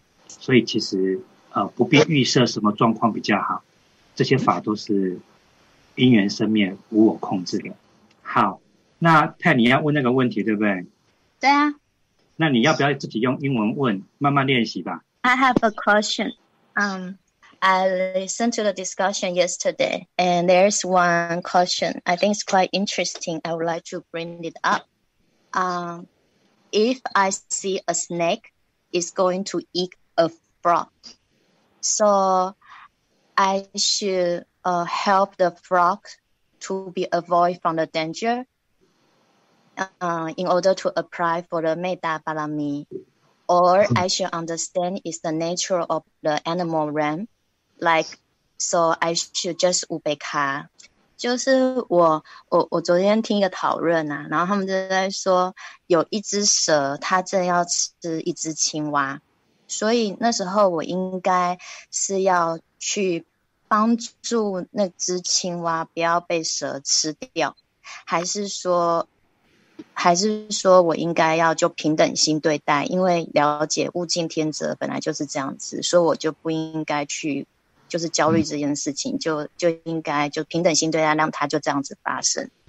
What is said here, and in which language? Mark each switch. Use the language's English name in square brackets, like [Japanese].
[Chinese] 所以其实，不必预设什么状况比较好。这些法都是因缘生灭，无我控制的。好，那泰你要问那个问题，对不对？对啊那你要不要自己用英文问，慢慢练习吧？ [English] ，I have a question. I listened to the discussion yesterday, and there's one question. I think it's quite interesting. I would like to bring it up. If I see a snake is going to eat a frog, so I should help the frog to be avoid from the danger. In order to apply for the metta parami, or I should understand is the nature of the animal realm, like so I should just 无贝卡。 [Chinese] 就是我昨天听一个讨论啊，然后他们就在说有一只蛇，它正要吃一只青蛙，所以那时候我应该是要去帮助那只青蛙不要被蛇吃掉，还是说我应该要就平等心对待，因为了解物竞天择本来就是这样子，所以我就不应该去就是焦虑这件事情，就应该就平等心对待，让它就这样子发生。